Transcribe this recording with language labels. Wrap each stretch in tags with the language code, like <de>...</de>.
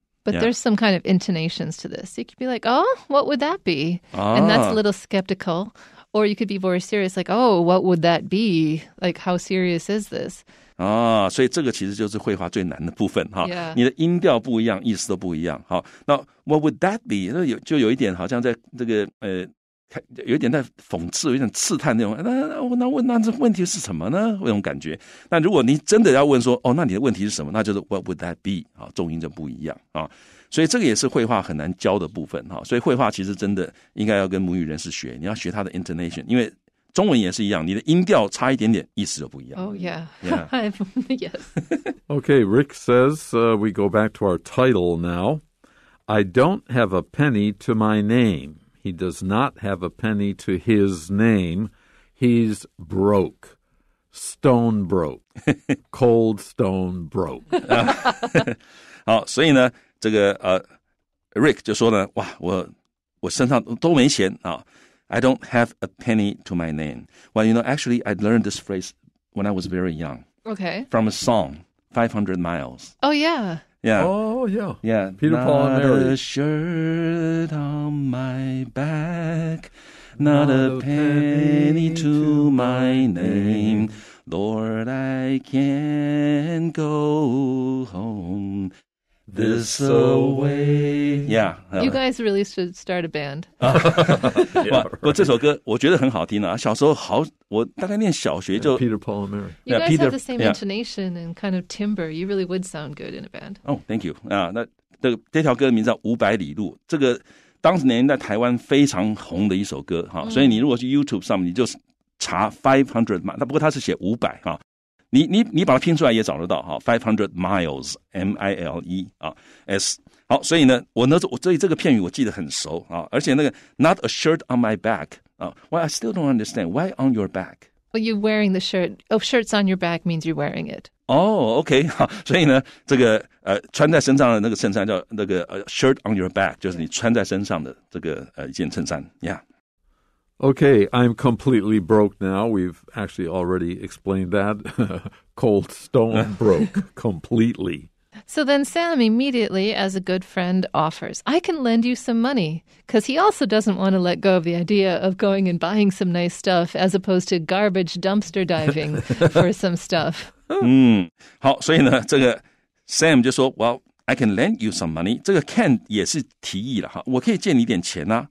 <en>But there's some kind of intonations to this. You could be like, oh, what would that be？ And that's a little skeptical. Or you could be very serious, like, oh, what would that be？ Like, how serious is this？</en> <zh>啊，所以这个其实就是绘画最难的部分哈。</zh> <en>Yeah.</en> <zh>你的音调不一样，意思都不一样。</zh> <en>好，那 what would that be？</en> <zh>那有一点好像在这个有一点在讽刺，有点刺探那种。那问那这问题是什么呢？那种感觉。那如果你真的要问说，哦，那你的问题是什么？那就是</zh> <en>what would that be？</en> <zh>啊，重音就不一样啊。所以这个也是绘画很难教的部分哈。所以绘画其实真的应该要跟母语人士学，你要学他的 intonation， 因为。中文也是一样，你的音调差一点点，意思就不一样。</zh> <en>Oh, yeah. Yeah. Yes. Okay, Rick says, we go back to our title now. I don't have a penny to my name. He does not have a penny to his name. He's broke. Stone broke. Cold stone broke.</en> <zh>好，所以呢，这个Rick 就说呢，哇，我身上都没钱啊。</zh> <en>I don't have a penny to my name. Well, you know, actually, I learned this phrase when I was very young. Okay. From a song, 500 Miles. Oh, yeah. Yeah. Oh, yeah. Yeah. Peter, Paul, and Mary. Not a shirt on my back, not a penny to my name. Lord, I can't go home. This away. Yeah. You guys really should start a band. Yeah, right.</en> <zh>不过这首歌我觉得很好听啊。小时候好，我大概念小学就</zh> <en>Peter, Paul, and Mary. You guys have the same intonation and kind of timbre. You really would sound good in a band. Oh, thank you.</en> <zh>那这条歌的名字叫五百里路，这个当时年代台湾非常红的一首歌哈。所以你如果去 YouTube 上面，你就查500嘛。那不过他是写五百哈。你把它拼出来也找得到哈 ，500 miles m i l e 啊 s 好，所以呢，我这个片语我记得很熟啊，而且那个</zh> <en>not a shirt on my back</en> <zh>啊 ，</zh> <en>why I still don't understand why on your back？ Well, you're wearing the shirt. Oh, shirts on your back means you're wearing it. Oh, okay.</en> <zh>所以呢，这个穿在身上的那个衬衫叫那个</zh> <en>shirt on your back，</en> <zh>就是你穿在身上的这个一件衬衫 ，yeah。</zh> <en>Okay, I'm completely broke now. We've actually already explained that. Cold stone broke completely. So then Sam immediately, as a good friend, offers, I can lend you some money. Because he also doesn't want to let go of the idea of going and buying some nice stuff as opposed to garbage dumpster diving for some stuff.</en> <zh>好,所以呢,这个 Sam 就说,</zh> <en>well,I can lend you some money.</en> <zh>这个 can 也是提议了哈，我可以借你点钱啊。</zh>